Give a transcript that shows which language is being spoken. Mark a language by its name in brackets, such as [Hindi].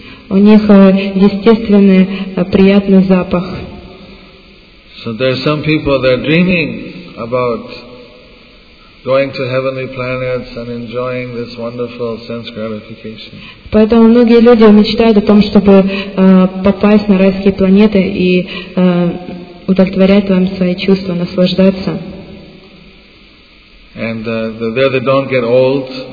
[Russian] У них естественный приятный запах. [English] So there are some people that are dreaming about going to heavenly planets and enjoying this wonderful sense gratification. [Russian] Поэтому многие люди мечтают о том, чтобы попасть на райские планеты и удовлетворять вам свои чувства, наслаждаться. [English] And there they don't get old.